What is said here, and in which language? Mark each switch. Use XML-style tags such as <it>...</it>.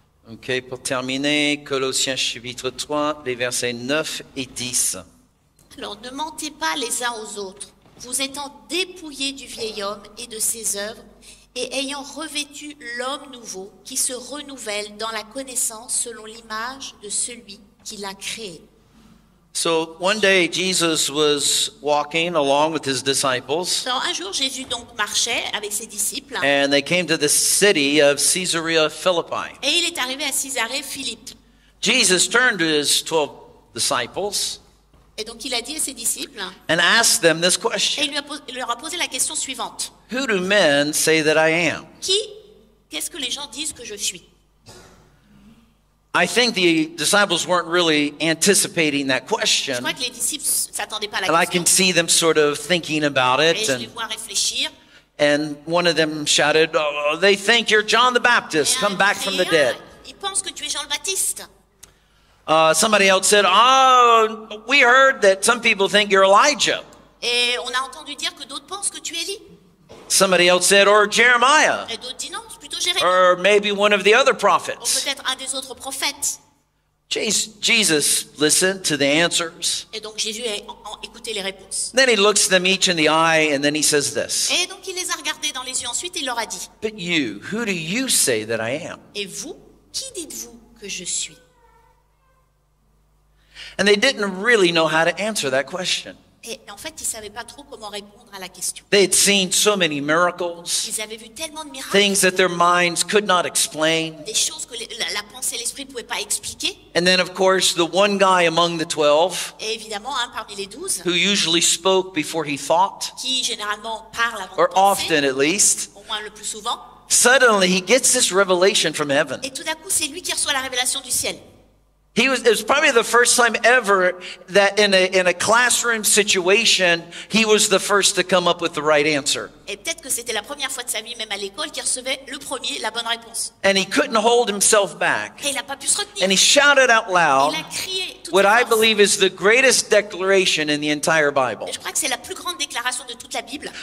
<fr>Ok, pour terminer, Colossiens chapitre 3, les versets 9 et 10. Alors, ne mentez pas les uns aux autres, vous étant dépouillés du vieil homme et de ses œuvres, et ayant revêtu l'homme nouveau qui se renouvelle dans la connaissance selon l'image de celui qui l'a créé.</fr> <en>So, one day Jesus was walking along with his disciples.</en> <fr>Alors, un jour, Jésus donc marchait avec ses disciples.</fr> <en>And they came to the city of Caesarea Philippi.</en> <fr>Et il est arrivé à Césarée Philippe.</fr> <en>Jesus turned to his 12 disciples.</en> <fr>Et donc, il a dit à ses disciples.</fr> <en>And asked them this question.</en> <fr>Et il leur a posé la question suivante.</fr> <en>Who do men say that I am?</en> <fr>Qu'est-ce que les gens disent que je suis?</fr> <en>I think the disciples weren't really anticipating that question.</en> <fr>Je crois que les disciples s'attendaient pas à la question.</fr> <en>And I can see them sort of thinking about it.</en> <fr>Et je les vois réfléchir.</fr> <en>And one of them shouted, oh, they think you're John the Baptist, come back from the dead.</en> <fr>Ils pensent que tu es Jean le Baptiste.</fr> <en>Somebody else said, oh, we heard that some people think you're Elijah.</en> <fr>Et on a entendu dire que d'autres pensent que tu es Élie.</fr> <en>Somebody else said, or Jeremiah.</en> <fr>Et d'autres disent non, c'est plutôt Jérémie.</fr> <en>Or maybe one of the other prophets.</en> <fr>Ou peut-être un des autres prophètes.</fr> <en>Jesus listened to the answers.</en> <fr>Et donc Jésus a écouté les réponses.</fr> <en>Then he looks them each in the eye and then he says this.</en> <fr>Et donc il les a regardés dans les yeux ensuite et il leur a dit.</fr> <en>But you, who do you say that I am?</en> <fr>Et vous, qui dites-vous que je suis?</fr> <en>And they didn't really know how to answer that question.</en> <fr>Et en fait, ils ne savaient pas trop comment répondre à la question.</fr> <en>They had seen so many miracles,</en> <fr>ils avaient vu tellement de miracles,</fr> <en>things that their minds could not explain.</en> <fr>Des choses que la pensée et l'esprit ne pouvaient pas expliquer.</fr> <en>And then, of course, the one guy among the 12,</en> <fr>et évidemment, un parmi les 12,</fr> <en>who usually spoke before he thought,</en> <fr>qui généralement parle avant</fr> <en>or</en> <fr>de penser,</fr> <en>often at least,</en> <fr>au moins le plus souvent,</fr> <en>suddenly he gets this revelation from heaven.</en> <fr>Et tout d'un coup, c'est lui qui reçoit la révélation du ciel.</fr> <en>It was probably the first time ever that in a classroom situation, he was the first to come up with the right answer.</en> <fr>Et peut-être que c'était la première fois de sa vie, même à l'école, qu'il recevait le premier, la bonne réponse.</fr> <en>And he couldn't hold himself back.</en> <fr>Et il n'a pas pu se retenir.</fr> <en>And he shouted out loud,</en> <fr>il a crié</fr> <en>what I believe is the greatest declaration in the entire Bible.</en> <fr>Et je crois que c'est la plus grande déclaration de toute la Bible.</fr>